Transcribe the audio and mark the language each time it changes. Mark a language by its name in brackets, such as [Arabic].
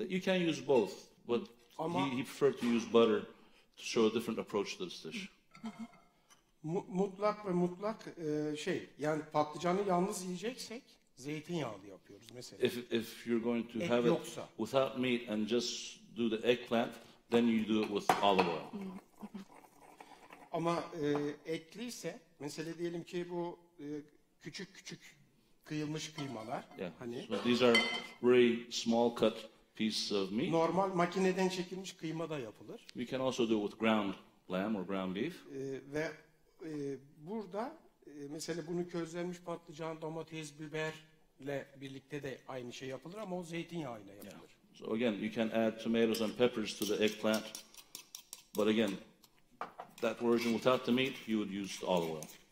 [English] You can use both, but he preferred to use butter to show a different approach to this dish. [Turkish] Mutlak ve mutlak şey, yani patlıcanı yalnız yiyeceksek zeytinyağlı yapıyoruz mesela. [English] If you're going to et have [Turkish] yoksa, [English] it without meat and just do the eggplant, then you do it with olive oil. [Turkish] Ama etliyse, mesela diyelim ki bu küçük küçük kıyılmış kıymalar. [English] Yeah. [Turkish] Hani, [English] so these are very small cut pieces of meat. [Turkish] Normal makineden çekilmiş kıyma da yapılır. [English] We can also do it with ground lamb or ground beef. [Turkish] Ve burada mesela bunu közlenmiş patlıcan, domates, biberle birlikte de aynı şey yapılır ama o zeytinyağıyla yapılır. [English] Yeah. So again, you can add tomatoes and peppers to the eggplant. But again, that version without the meat, you would use olive oil.